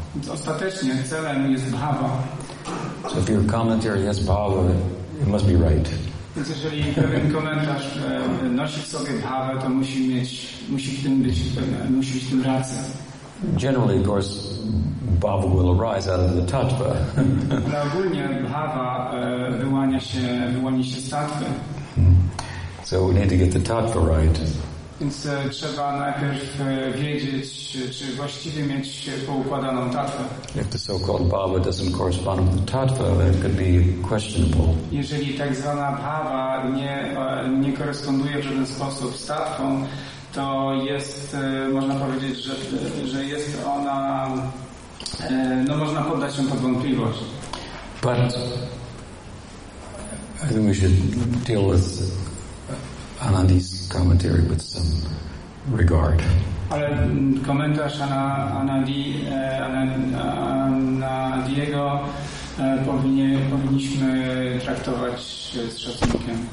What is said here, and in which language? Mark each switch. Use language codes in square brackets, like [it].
[pl] Ostatecznie celem jest bhava. [en] So if your commentary has bhava, it must be right. [pl] Więc jeżeli pewien komentarz nosi w sobie bhava, to musi w tym rację. [en] Generally, of course, bhava will arise out of the tattva. [pl] Ogólnie bhava wyłania się z tattva. [en] So we need to get the tattva right. [pl] Więc trzeba najpierw wiedzieć, czy właściwie mieć poukładaną tattwę. [en] If the so-called bhava doesn't correspond with the tattva, it could be questionable. [pl] Jeżeli tak zwana bhava nie koresponduje w żaden sposób z tattwą, to jest, można powiedzieć, że jest ona, no można poddać ją pod wątpliwość. [en] But I think we should deal with Anandi's commentary with some regard. [pl] Ale komentarz Anandiego powinniśmy traktować z szacunkiem.